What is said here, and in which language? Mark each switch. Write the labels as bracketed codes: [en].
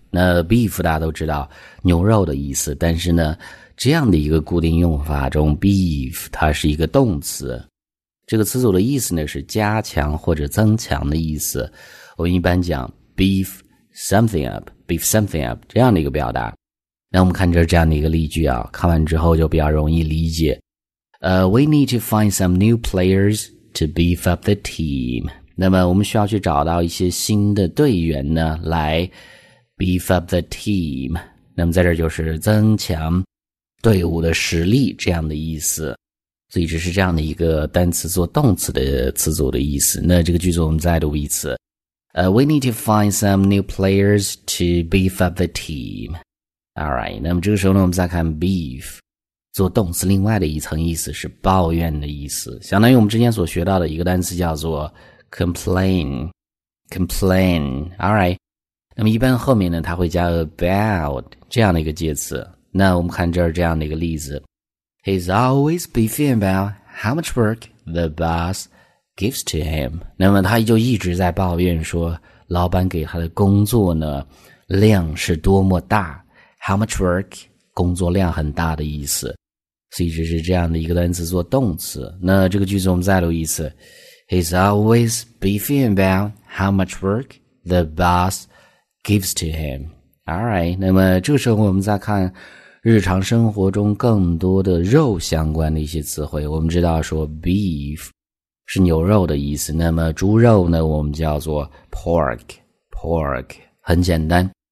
[zh] 那 beef 大家都知道牛肉的意思，但是呢这样的一个固定用法中 beef 它是一个动词，这个词组的意思呢是加强或者增强的意思。我们一般讲 [en] beef something up, beef something up [zh] 这样的一个表达。那我们看这样的一个例句啊，看完之后就比较容易理解。 [en] We need to find some new players to beef up the team. [zh] 那么我们需要去找到一些新的队员呢，来 [en] beef up the team。 [zh] 那么在这就是增强队伍的实力这样的意思。所以这是这样的一个单词做动词的词组的意思。那这个句子我们再读一次。 [en] We need to find some new players to beef up the team. Alright, [zh] 那么这个时候呢我们再看 beef, 做动词另外的一层意思是抱怨的意思。相当于我们之前所学到的一个单词叫做 complain, alright。那么一般后面呢它会加 about, 这样的一个介词。那我们看这样的一个例子。 [en] He's always beefing about how much work the boss gives to him. [zh] 那么他就一直在抱怨说老板给他的工作呢量是多么大。 [en] How much work? [zh] 工作量很大的意思。所以这是这样的一个单词做动词。那这个句子我们再读一次。 [en] He's always beefing about how much work the boss gives to him. Alright, [zh] 那么这个时候我们再看日常生活中更多的肉相关的一些词汇。我们知道说 beef 是牛肉的意思。那么猪肉呢我们叫做 pork, 很简单。